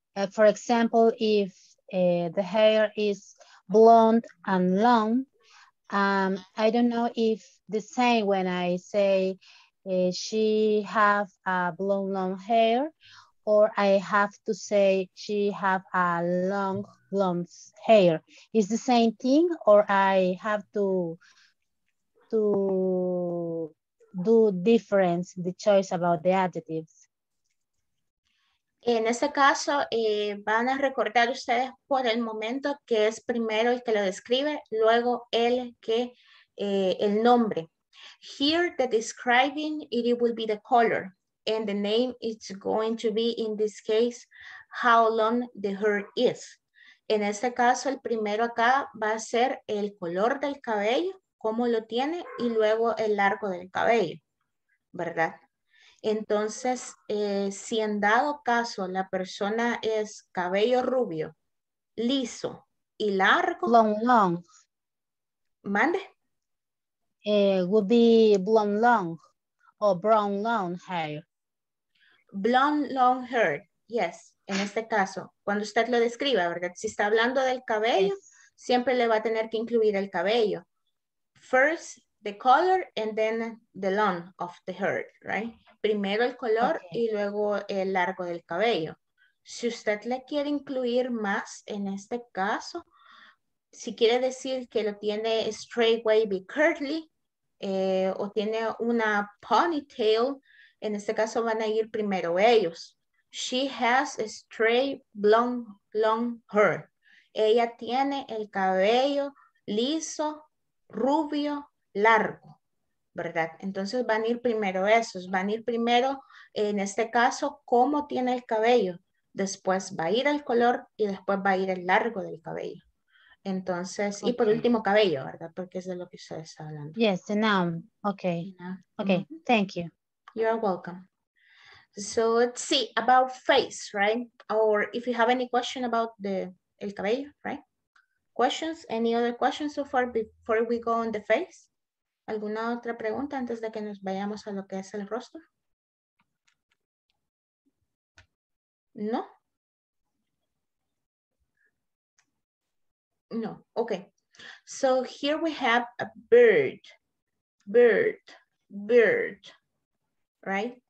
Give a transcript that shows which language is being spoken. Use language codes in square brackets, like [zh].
[en] For example, if the hair is blonde and long, I don't know if the same when I say, she have a blonde long hair, or I have to say she have a long blonde hair. Is the same thing, or I have to do difference the choice about the adjectives? [es] En ese caso, van a recordar ustedes por el momento que es primero el que lo describe, luego el que el nombre. [en] Here, the describing, it will be the color, and the name is going to be, in this case, how long the hair is. [es] En este caso, el primero acá va a ser el color del cabello, cómo lo tiene, y luego el largo del cabello, ¿verdad? Entonces, si en dado caso la persona es cabello rubio, liso y largo. [en] Long, long. [es] ¿Mande? [en] Would be blonde long o brown long hair. Blonde long hair, yes. [es] En este caso, cuando usted lo describa, ¿verdad? Si está hablando del cabello, siempre le va a tener que incluir el cabello. [en] First the color and then the long of the hair, right? [es] Primero el color y luego el largo del cabello. Si usted le quiere incluir más en este caso, si quiere decir que lo tiene straight, wavy, curly, o tiene una ponytail, en este caso van a ir primero ellos. [en] She has a straight, blonde, long hair. [es] Ella tiene el cabello liso, rubio, largo, ¿verdad? Entonces van a ir primero esos. Van a ir primero, en este caso, cómo tiene el cabello. Después va a ir el color y después va a ir el largo del cabello. Entonces, y por último cabello, ¿verdad? Porque es de lo que usted está hablando. [en] Yes, the noun. Okay. Okay, thank you. You're welcome. So let's see about face, right? Or if you have any question about the [es] el cabello, [en] right? Questions? Any other questions so far before we go on the face? [es] ¿Alguna otra pregunta antes de que nos vayamos a lo que es el rostro? No. [en] No. Okay. So here we have a bird. Bird. Bird. Right?